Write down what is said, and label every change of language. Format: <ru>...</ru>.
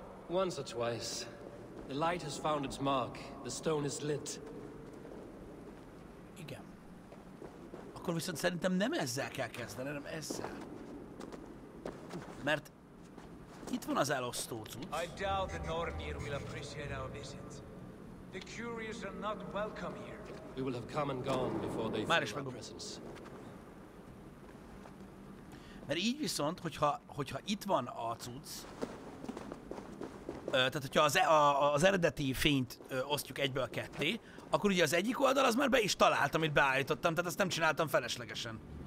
<en>Once or twice, the light has found its mark. The stone is lit.</en> <hu>Igen. Akkor viszont szerintem nem ezzel kell kezdeni, hanem ezzel. Mert itt van az elosztó cucc.</hu> <en>I doubt the Nornir will appreciate our visit. The curious are not welcome here. We will have come and gone before they feel our presence.</en> <hu>Mert így viszont, hogyha itt van a cucc, tehát, hogyha az eredeti fényt osztjuk egyből a ketté, akkor ugye az egyik oldal az már be is talált, amit beállítottam, tehát ezt nem csináltam feleslegesen.</hu>